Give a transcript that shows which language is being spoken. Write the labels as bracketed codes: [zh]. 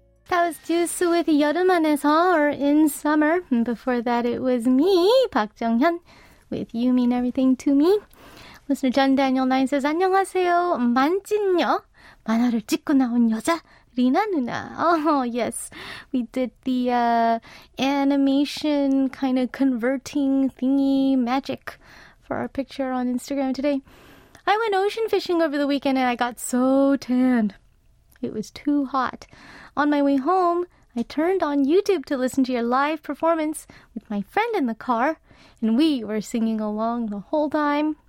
[en] That was Juice with 여름 안에서, or In Summer. And before that, it was me, Park Jung-hyun, with You Mean Everything to Me. Listener John Daniel 9 says, [ko] 안녕하세요. 만찢녀. 만화를 찍고 나온 여자, 리나 누나. [en] Oh, yes. We did the animation kind of converting thingy magic for our picture on Instagram today. I went ocean fishing over the weekend and I got so tanned. It was too hot. On my way home, I turned on YouTube to listen to your live performance with my friend in the car, and we were singing along the whole time.